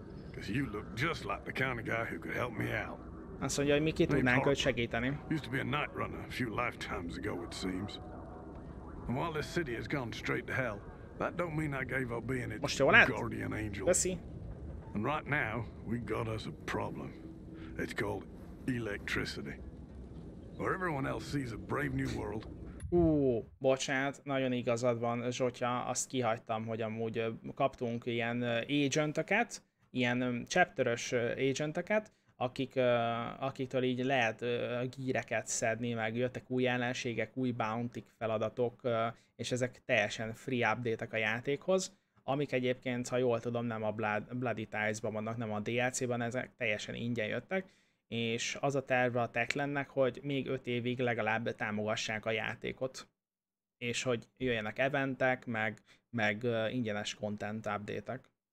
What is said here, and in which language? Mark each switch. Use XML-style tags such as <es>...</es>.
<en>Because you look just like the kind of guy who could help me out.</en> <hu>Azt mondja, hogy mi ki tudnánk őt segíteni.</hu> <en>Used to be a night runner a few lifetimes ago, it seems. And while this city has gone straight to hell, that don't mean I gave up being its guardian angel.</en> <hu>Köszi.</hu> <en>And right now, we got us a problem. It's called electricity. Where everyone else sees a brave new world.</en> <hu>Bocsánat, nagyon igazad van, Zsotya, azt kihagytam, hogy amúgy kaptunk ilyen agentöket. Ilyen chapter-ös agenteket, akiktől így lehet gíreket szedni, meg jöttek új ellenségek, új bounty feladatok, és ezek teljesen free update-ek a játékhoz, amik egyébként, ha jól tudom, nem a Bloody Tides-ban vannak, nem a DLC-ban, ezek teljesen ingyen jöttek, és az a terve a Techlandnek, hogy még 5 évig legalább támogassák a játékot, és hogy jöjjenek eventek, meg ingyenes content update-ek.</hu>